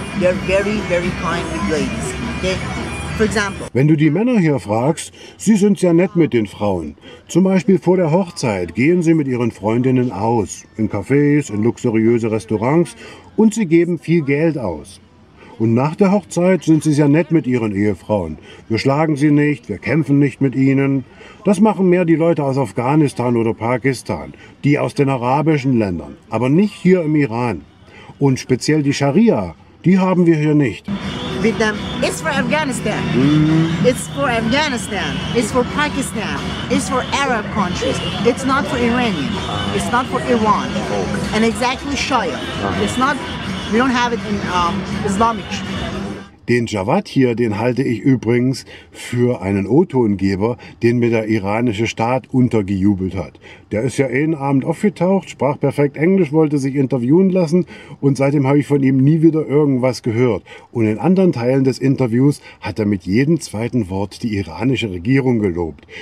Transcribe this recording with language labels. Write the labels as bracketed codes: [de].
[en] They are very, very kind with ladies. Okay? [de] Wenn du die Männer hier fragst, sie sind sehr nett mit den Frauen. Zum Beispiel vor der Hochzeit gehen sie mit ihren Freundinnen aus, in Cafés, in luxuriöse Restaurants und sie geben viel Geld aus. Und nach der Hochzeit sind sie sehr nett mit ihren Ehefrauen. Wir schlagen sie nicht, wir kämpfen nicht mit ihnen. Das machen mehr die Leute aus Afghanistan oder Pakistan, die aus den arabischen Ländern, aber nicht hier im Iran. Und speziell die Scharia, die haben wir hier nicht. [en] With them. It's for Afghanistan. It's for Afghanistan. It's for Pakistan. It's for Arab countries. It's not for Iranian. It's not for Iran. And exactly Shia. It's not. We don't have it in Islamic. [de] Den Jawad hier, den halte ich übrigens für einen O-Tongeber, den mir der iranische Staat untergejubelt hat. Der ist ja jeden Abend aufgetaucht, sprach perfekt Englisch, wollte sich interviewen lassen und seitdem habe ich von ihm nie wieder irgendwas gehört. Und in anderen Teilen des Interviews hat er mit jedem zweiten Wort die iranische Regierung gelobt.